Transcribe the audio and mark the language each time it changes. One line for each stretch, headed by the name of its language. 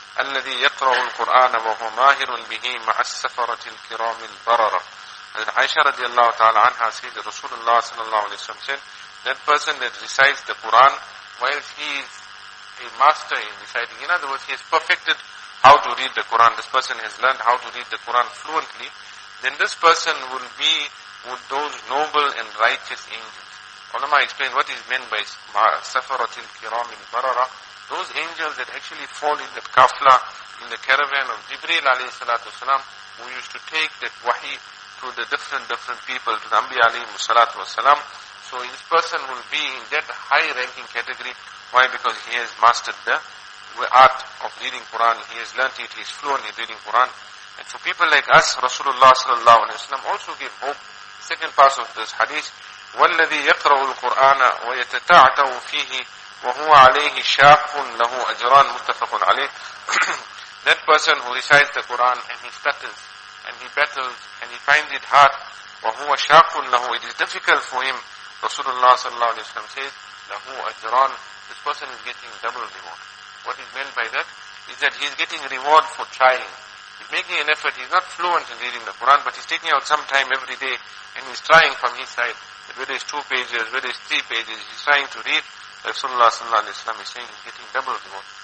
Arabic: الذي يقرأ القرآن وهو ماهر به مع السفرة الكرام البررة.
English: عائشة رضي الله تعالى عنها said رسول الله صلى الله عليه وسلم said that person that recites the Quran whilst he is a master in reciting, in other words, he has perfected how to read the Quran, this person has learned how to read the Quran fluently, then this person will be with those noble and righteous angels. Ulama explained what is meant by safaratil kiram in barara, those angels that actually fall in the kafla, in the caravan of Jibreel alayhi salatu wasalam, who used to take that wahi to the different people, to the Anbiya alayhi salatu wasalam. So this person will be in that high ranking category. Why? Because he has mastered the art of reading Quran, he has learnt it, he is fluent in reading Quran. And for people like us, Rasulullah sallallahu alayhi wa sallam also gave hope. Second part of this hadith,
Arabic: وَالَّذِي يَقْرَأُ الْقُرْآنَ وَيَتَتَعْتَوُ فِيهِ وَهُوَ عَلَيْهِ شَاقٌ لَهُ أَجْرًا مُتَّفَقٌ عَلَيْهِ.
English: That person who recites the Quran and he stutters and he battles and he finds it hard,
Arabic: وَهُوَ شَاقٌ لَهُ,
English: it is difficult for him, Rasulullah sallallahu alayhi wa sallam says,
Arabic: لَهُ أَجْرًا,
English: this person is getting double reward. What is meant by that? Is that he is getting reward for trying. He is making an effort, he is not fluent in reading the Quran, but he is taking out some time every day and he is trying from his side, whether it's 2 pages, whether it's 3 pages, he's trying to read, Rasulullah sallallahu alayhi wa sallam is saying he's getting double reward.